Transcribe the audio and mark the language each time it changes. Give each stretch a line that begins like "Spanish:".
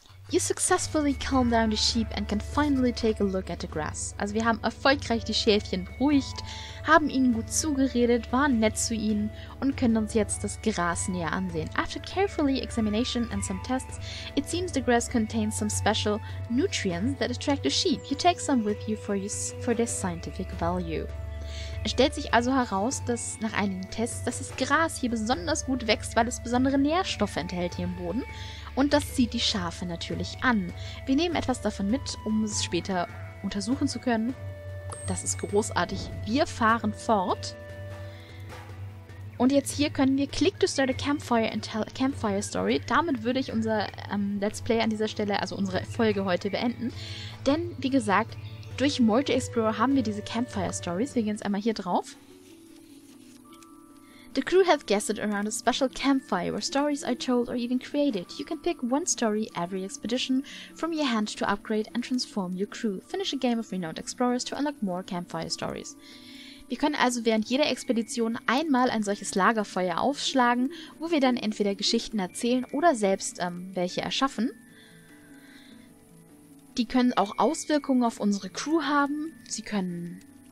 English: You successfully calm down the sheep and can finally take a look at the grass.
German: Also wir haben erfolgreich die Schäfchen beruhigt, haben ihnen gut zugeredet, waren nett zu ihnen und können uns jetzt das Gras näher ansehen.
English: After carefully examination and some tests, it seems the grass contains some special nutrients that attract the sheep. You take some with you for their scientific value.
German: Es stellt sich also heraus, dass nach einigen Tests, dass das Gras hier besonders gut wächst, weil es besondere Nährstoffe enthält hier im Boden. Und das zieht die Schafe natürlich an. Wir nehmen etwas davon mit, um es später untersuchen zu können. Das ist großartig. Wir fahren fort. Und jetzt hier können wir
English: click to start a campfire and tell a campfire story.
German: Damit würde ich unser Let's Play an dieser Stelle, also unsere Folge heute, beenden. Denn, wie gesagt, durch Multi Explorer haben wir diese Campfire Stories. Wir gehen jetzt einmal hier drauf.
English: The crew have gathered around a special campfire where stories are told or even created. You can pick one story every expedition from your hand to upgrade and transform your crew. Finish a game of renowned explorers to unlock more campfire stories.
German: Wir können also während jeder Expedition einmal ein solches Lagerfeuer aufschlagen, wo wir dann entweder Geschichten erzählen oder selbst welche erschaffen. Die können auch Auswirkungen auf unsere Crew haben. Sie können...